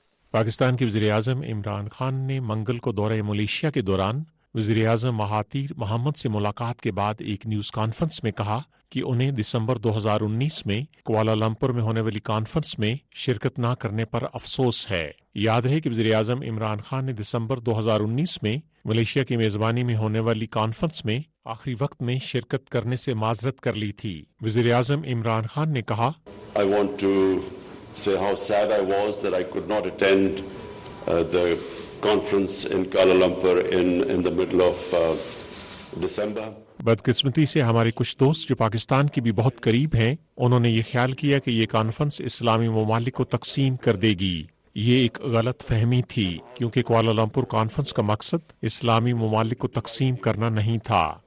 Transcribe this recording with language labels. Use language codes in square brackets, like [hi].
[ur] پاکستان کے وزیراعظم عمران خان نے منگل کو دورہ ملائیشیا کے دوران وزیراعظم مہاتیر محمد سے ملاقات کے بعد ایک نیوز کانفرنس میں کہا کہ انہیں دسمبر 2019 میں کوالالمپور میں ہونے والی کانفرنس میں شرکت نہ کرنے پر افسوس ہے۔ یاد رہے کہ وزیراعظم عمران خان نے دسمبر 2019 میں ملائیشیا کی میزبانی میں ہونے والی کانفرنس میں آخری وقت میں شرکت کرنے سے معذرت کر لی تھی۔ وزیراعظم عمران خان نے کہا، [en] I want to say how sad I was that I could not attend the conference in Kuala Lumpur in the middle of December. [ur] بدقسمتی سے ہمارے کچھ دوست جو پاکستان کی بھی بہت قریب ہیں، انہوں نے یہ خیال کیا کہ یہ کانفرنس اسلامی ممالک کو تقسیم کر دے گی۔ یہ ایک غلط فہمی تھی، کیونکہ کوالالمپور کانفرنس کا مقصد اسلامی ممالک کو تقسیم کرنا نہیں تھا۔